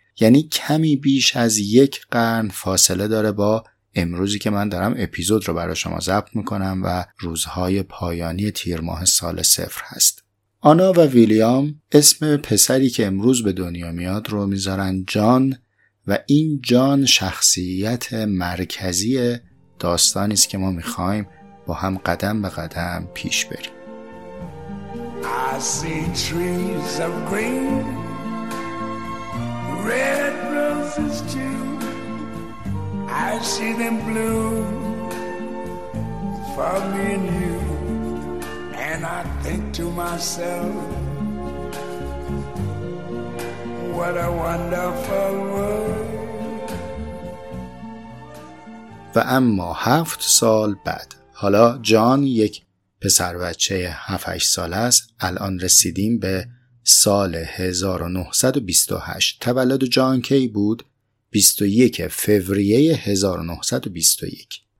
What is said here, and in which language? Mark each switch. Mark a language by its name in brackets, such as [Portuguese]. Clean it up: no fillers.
[Persian] یعنی کمی بیش از یک قرن فاصله داره با امروزی که من دارم اپیزود رو برای شما ضبط میکنم و روزهای پایانی تیر ماه سال صفر هست. آنا و ویلیام اسم پسری که امروز به دنیا میاد رو میذارن جان و این جان شخصیت مرکزی داستانی است که ما میخوایم با هم قدم به قدم پیش بریم. [English] I see trees of green, red roses too. I see them bloom for me and you. And I think to myself, what a wonderful world. [Persian] و اما 7 سال بعد، حالا جان یک پسر بچه 7-8 ساله است. الان رسیدیم به سال 1928. تولد جان کی بود؟ 21 فوریه 1921.